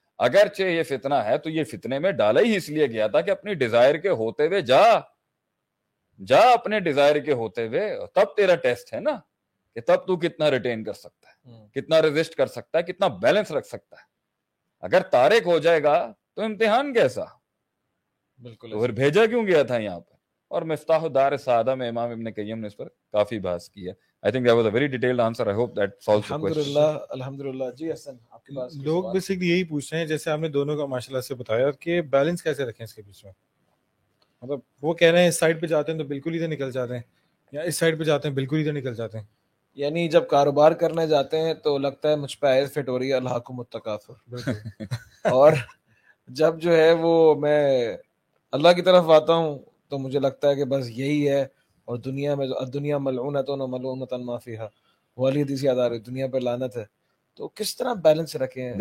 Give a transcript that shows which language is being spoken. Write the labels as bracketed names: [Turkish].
[Urdu] اگرچہ یہ فتنہ ہے تو یہ فتنے میں ڈالا ہی اس لیے گیا تھا کہ اپنی ڈیزائر کے ہوتے ہوئے جا جا اپنے ڈیزائر کے ہوتے ہوئے, تب تیرا ٹیسٹ ہے نا کہ تب تو کتنا ریٹین کر سکتا ہے, کتنا ریزسٹ کر سکتا ہے, کتنا بیلنس رکھ سکتا ہے. اگر تارک ہو جائے گا تو امتحان کیسا, بالکل پھر بھیجا کیوں گیا تھا یہاں پر. اور مفتاح دار سعادہ میں امام ابن قیم نے اس پر کافی بحث کی ہے. [English] I think that was a very detailed answer. I hope that solves the question. [Urdu] الحمدللہ جی حسن, آپ کے پاس لوگ بیسکلی یہی پوچھ رہے ہیں جیسے ہم نے دونوں کا ماشاءاللہ سے بتایا کہ بیلنس کیسے رکھیں اس کے بیچ میں, مطلب وہ کہہ رہے ہیں اس سائڈ پہ جاتے ہیں تو بالکل ادھر نکل جاتے ہیں, یا اس سائڈ پہ جاتے ہیں بالکل ادھر نکل جاتے ہیں. یعنی جب کاروبار کرنے جاتے ہیں تو لگتا ہے مجھ پہ عائد فٹ ہو رہی ہے, اللہ کو متکافر, اور جب جو ہے وہ میں اللہ کی طرف آتا ہوں تو مجھے لگتا ہے کہ بس یہی ہے, اور دنیا میں دنیا ملعونت و ملعونت ما فیہا, وہ علی حدیث یاد آ رہی ہے, دنیا پر لعنت ہے, تو کس طرح بیلنس رکھیں.